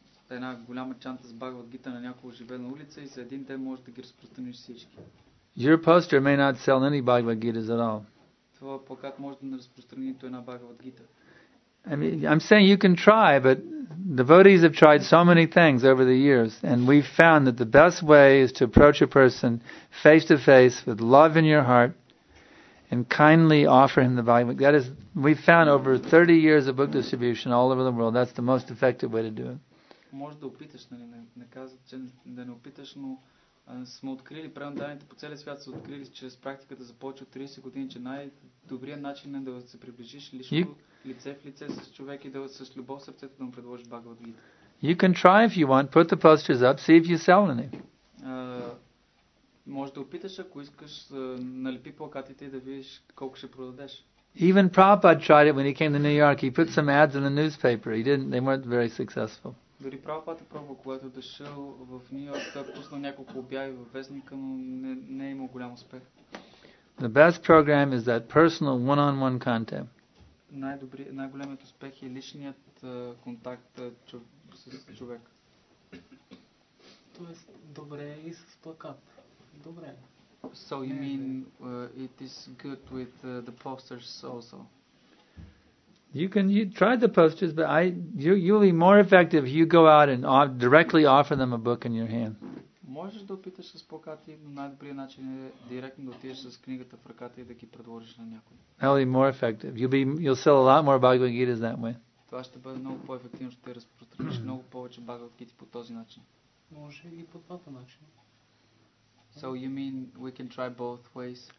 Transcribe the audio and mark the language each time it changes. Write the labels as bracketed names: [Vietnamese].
[Bulgarian] Една голяма чанта с Бхагавад Гита на някоя оживена улица и за един ден може да ги разпространиш всички. [English] Your poster may not sell any Bhagavad Gitas at all. [Bulgarian] Твоя плакат може да не разпространи нито една Бхагавад Гита. [English] I mean, I'm saying you can try, but devotees have tried so many things over the years, and we've found that the best way is to approach a person face to face with love in your heart and kindly offer him the Bhagavad Gita. That is, we've found over 30 years of book distribution all over the world, that's the most effective way to do it. [Bulgarian] Може да опиташ, нали, не казват, че да не опиташ, но сме открили, преданите по целия свят са открили чрез практиката за повече от 30 години, че най-добрият начин е да се приближиш лично лице в лице с човек и да с любов сърцето да му предложиш Бхагавад Гита. [English] You can try if you want, put the posters up, see if you sell any. [Bulgarian] Може да опиташ, ако искаш, налепи плакатите и да видиш колко ще продадеш. [English] Even Prabhupada tried it when he came to New York. He put some ads in the newspaper. They weren't very successful. [Bulgarian] Дори Прабхупада пробва, когато дошъл в Нью-Йорк, той пуснал няколко обяви във вестника, но не е имал голям успех. [English] The best program is that personal one-on-one contact. [Bulgarian] Най-големият успех е личният контакт с човек. Тоест, добре и с плакат. Добре. [English] So you mean it is good with the posters also? You try the posters, but you'll be more effective if you go out and directly offer them a book in your hand. [Bulgarian] Можеш да опиташ с плакати, но най-добрият начин е директно да отидеш с книгата в ръката и да ги предложиш на някой. [English] That'll be more effective. You'll sell a lot more Bhagavad Gita that way. [Bulgarian] Това ще бъде много по-ефективно, ще разпространиш много повече Bhagavad Gita по този начин. Може и по двата начин. [English] So you mean we can try both ways?